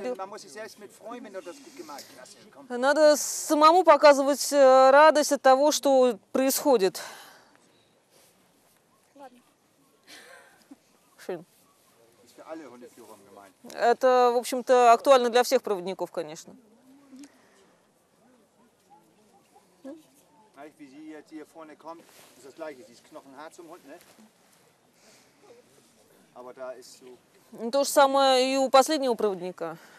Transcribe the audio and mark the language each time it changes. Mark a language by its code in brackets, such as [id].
[de] man muss sich selbst mit freuen, wenn du das gut gemacht hast. [ru] Надо самому показывать радость от того, что происходит. [de] Schön. Ist für alle Hundeführer gemeint. [ru] Это, в общем-то, актуально для всех проводников, конечно. [de] Wie sie jetzt hier vorne kommt, ist das gleiche. Sie ist knochenhart zum Hund, ne? Aber da ist so. [ru] То же самое и у последнего проводника.